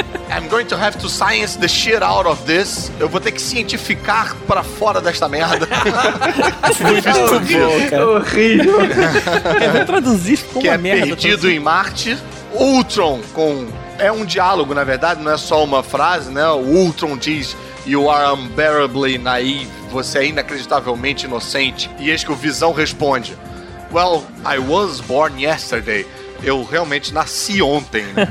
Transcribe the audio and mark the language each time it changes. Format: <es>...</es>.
<en>I'm going to have to science the shit out of this.</en> <pt>Eu vou ter que cientificar pra fora desta merda. Horrível. Eu vou traduzir como que uma é merda. Perdido em Marte. Ultron com... É um diálogo, na verdade, não é só uma frase, né? O Ultron diz,</pt> <en>you are unbearably naive.</en> <pt>Você é inacreditavelmente inocente. E eis que o Visão responde,</pt> <en>well, I was born yesterday.</en> <pt>Eu realmente nasci ontem.</pt>